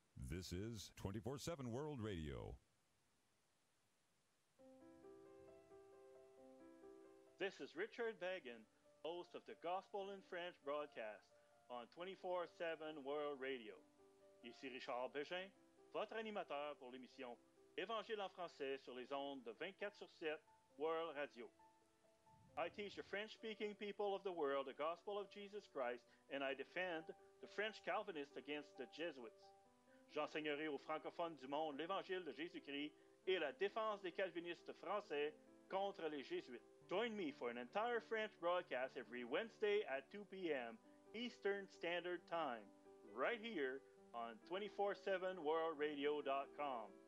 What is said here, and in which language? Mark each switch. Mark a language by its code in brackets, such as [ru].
[en] This is 24/7 World Radio. This is Richard Vagan, host of the Gospel in French broadcast on 24/7 World Radio. [fr] Ici Richard Bégin, votre animateur pour l'émission Évangile en français sur les ondes de 24/7 World Radio. [en] I teach the French-speaking people of the world the gospel of Jesus Christ, and I defend the French Calvinists against the Jesuits. [fr] J'enseignerai aux francophones du monde l'Évangile de Jésus-Christ et la défense des Calvinistes français contre les Jésuites. [en] Join me for an entire French broadcast every Wednesday at 2 p.m. Eastern Standard Time, right here on 247worldradio.com.